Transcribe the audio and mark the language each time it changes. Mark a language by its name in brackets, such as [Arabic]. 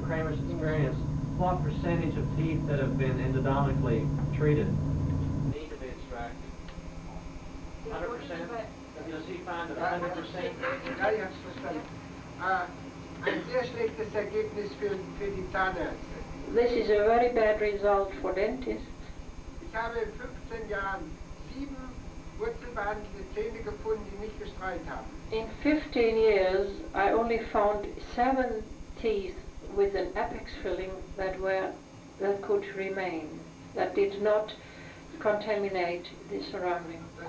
[English] Kramer's experience, what percentage of teeth that have been endodontically treated need to be extracted? 100%? Does he find that 100%? [German] Ein sehr schlechtes Ergebnis für die Zahnärzte. [English] This is a very bad result for dentists. [German] Ich habe in 15 Jahren 7 wurzelbehandelte Zähne gefunden, die nicht gestreut haben. [English] In 15 years, I only found 7 teeth with an apex filling that could remain, that did not contaminate the surrounding.